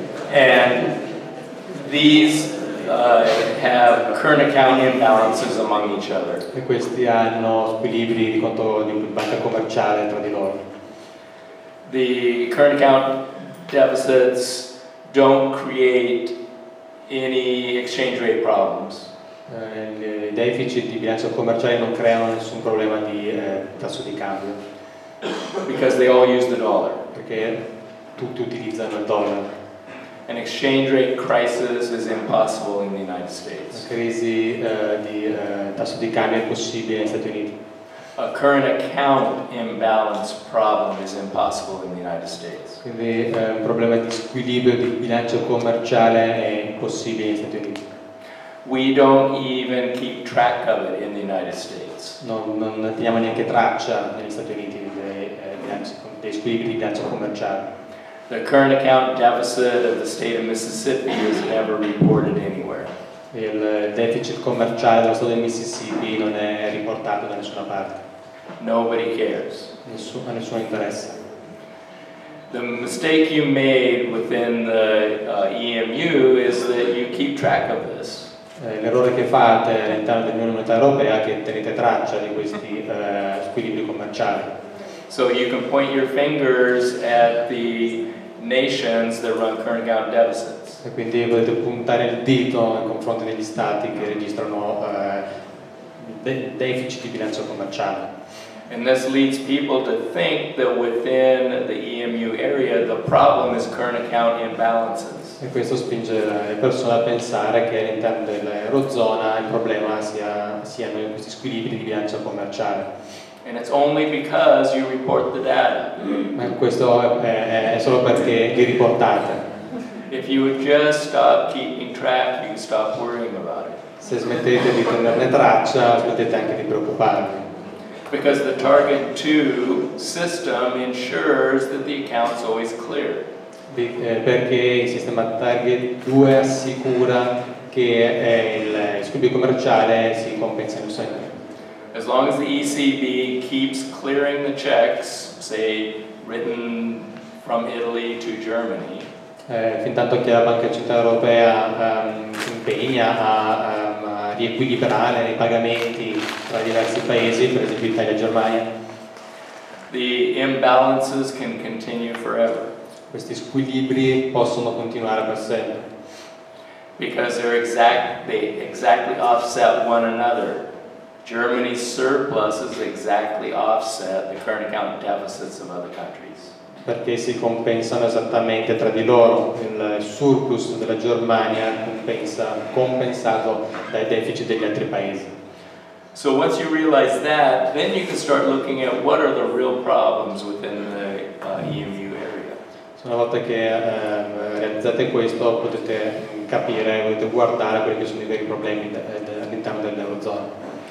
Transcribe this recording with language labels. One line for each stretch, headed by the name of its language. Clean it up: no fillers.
English: And these have current account imbalances among each other.
Italian: E questi hanno squilibri di conto di banca commerciale tra di loro.
English: The current account deficits don't create any exchange rate problems.
Italian: I deficit di bilancio commerciale non creano nessun problema di tasso di cambio.
English: Because they all use the dollar.
Italian: Perché tutti utilizzano il dollaro.
English: An exchange rate crisis is impossible in the United States.
Italian: La crisi di tasso di cambio è impossibile negli Stati Uniti.
English: A current account imbalance problem is impossible in the United States.
Italian: Quindi un problema di squilibrio di bilancio commerciale è impossibile negli Stati Uniti.
English: We don't even keep track of it in the United States.
Italian: Non teniamo neanche traccia negli Stati Uniti dei squilibri di bilancio commerciale.
English: The current account deficit of the state of Mississippi is never reported anywhere.
Italian: Il deficit commerciale dello Stato del Mississippi non è riportato da nessuna parte.
English: Nobody cares.
Italian: A nessuno interessa.
English: The mistake you made within the EMU is that you keep track of this.
Italian: L'errore che fate all'interno dell'Unione Monetaria Europea è che tenete traccia di questi squilibri commerciali.
English: So you can point your fingers at the nations that run current account deficits.
Italian: E quindi potete puntare il dito nei confronti degli stati che registrano deficit di bilancio commerciale.
English: And this leads people to think that within the EMU area the problem is current account imbalances.
Italian: E questo spinge le persone a pensare che all'interno dell'Eurozona il problema siano questi squilibri di bilancio commerciale.
English: And it's only because you report the data.
Italian: Ma questo è solo perché li riportate.
English: If you would just stop keeping track, you can stop worrying about it.
Italian: Se smettete di tenerne traccia, smettete anche di preoccuparvi.
English: Because the Target 2 system ensures that the account's always clear.
Italian: Perché il sistema Target 2 assicura che il scambio commerciale si compensa sempre.
English: As long as the ECB keeps clearing the checks, say, written from Italy to Germany,
Italian: fin tanto che la Banca Centrale Europea si impegna a riequilibrare i pagamenti tra diversi paesi, per esempio Italia e Germania,
English: the imbalances can continue forever.
Italian: Questi squilibri possono continuare per sempre.
English: Because they're exactly offset one another. Germany's surpluses exactly offset the current account deficits of other countries.
Italian: Perché si compensano esattamente tra di loro, il surplus della Germania compensato dai deficit degli altri paesi.
English: So once you realize that, then you can start looking at what are the real problems within the EMU area.
Italian: So una volta che realizzate questo, potete capire, potete guardare quelli che sono i veri problemi all'interno dell'Eurozona.